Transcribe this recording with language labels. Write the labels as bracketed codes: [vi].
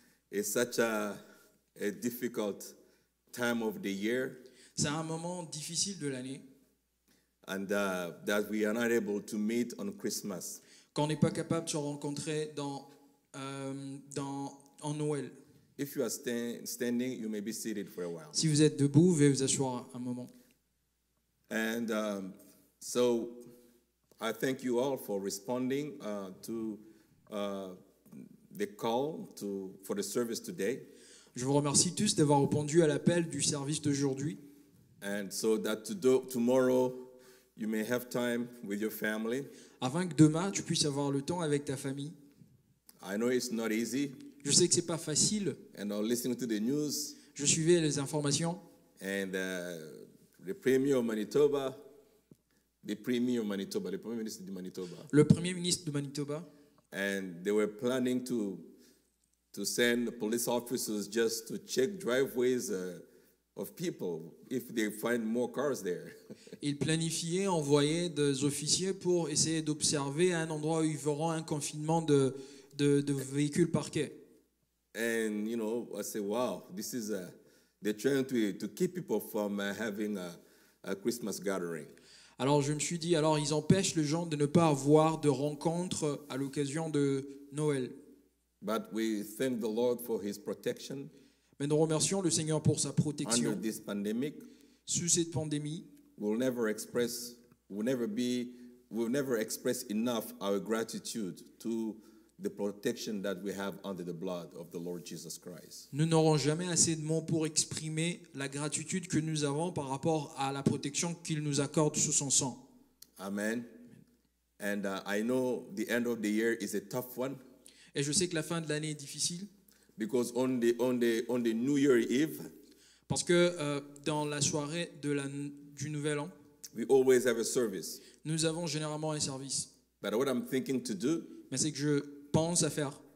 [en] It's such a difficult time of the year. [fr] C'est un moment difficile de l'année. [en] And that we are not able to meet on Christmas. [fr] Qu'on n'est pas capable de se rencontrer en Noël. [en] If you are standing, you may be seated for a while. [fr] Si vous êtes debout, vous pouvez vous asseoir un moment. [en] And so I thank you all for responding to the call for the service today. [fr] Je vous remercie tous d'avoir répondu à l'appel du service d'aujourd'hui. [en] And so that tomorrow you may have time with your family. [fr] Afin que demain tu puisses avoir le temps avec ta famille. [en] I know it's not easy. [fr] Je sais que c'est pas facile. [en] And I'm listening to the news. [fr] Je suivais les informations. [en] And the Premier of Manitoba, the Premier Minister de Manitoba. [fr] Le Premier ministre de Manitoba. [en] And they were planning to send police officers just to check driveways of people if they find more cars there. [fr] Ils planifiaient envoyer des officiers pour essayer d'observer un endroit où ils verront un confinement de véhicules parqués. [en] And you know, I say, wow, this is they're trying to keep people from having a Christmas gathering. [fr] Alors je me suis dit, alors ils empêchent les gens de ne pas avoir de rencontre à l'occasion de Noël. [en] But we thank the Lord for His protection. [fr] Mais nous remercions le Seigneur pour sa protection. [en] Under this pandemic, [fr] sous cette pandémie, [en] we'll never express enough our gratitude to the protection that we have under the blood of the Lord Jesus Christ. [fr] Nous n'aurons jamais assez de mots pour exprimer la gratitude que nous avons par rapport à la protection qu'il nous accorde sous son sang. [en] Amen. And I know the end of the year is a tough one. [fr] Et je sais que la fin de l'année est difficile. [en] Because on the New Year Eve, [fr] parce que dans la soirée du Nouvel An, [en] we always have a service. [fr] Nous avons généralement un service. [en] But what I'm thinking to do, [fr] mais c'est que je pense à faire,